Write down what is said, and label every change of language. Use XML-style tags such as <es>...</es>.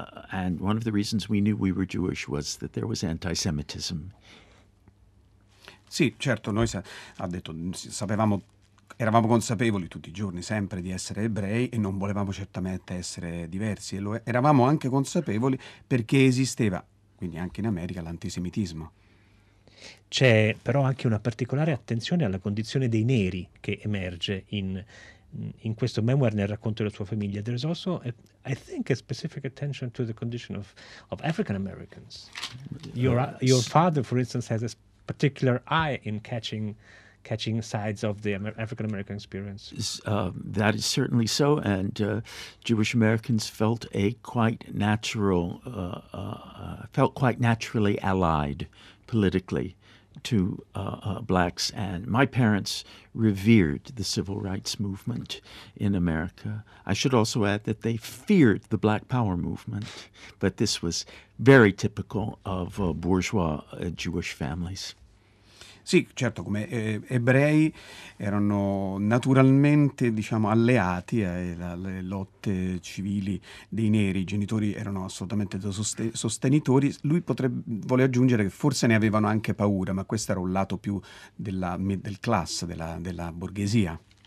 <en>And one of the reasons we knew we were Jewish was that there was anti-Semitism.</en> <it>Sì, certo, noi sapevamo, eravamo consapevoli tutti i giorni sempre di essere ebrei e non volevamo certamente essere diversi. E lo eravamo anche consapevoli perché esisteva, quindi anche in America, l'antisemitismo. C'è però anche una particolare attenzione alla condizione dei neri che emerge in questo memoir, nel racconto della sua famiglia.</it> <en>There is also, I think, a specific attention to the condition of African Americans. Your father, for instance, has a particular eye in catching sides of the African American experience. That is certainly so, and Jewish Americans felt a quite natural felt quite naturally allied politically to blacks, and my parents revered the civil rights movement in America. I should also add that they feared the black power movement, but this was very typical of bourgeois Jewish families.</en> <it>Sì, certo, come ebrei erano naturalmente, diciamo, alleati alle lotte civili dei neri, i genitori erano assolutamente sostenitori. Lui vuole aggiungere che forse ne avevano anche paura, ma questo era un lato più della middle class, della borghesia.</it>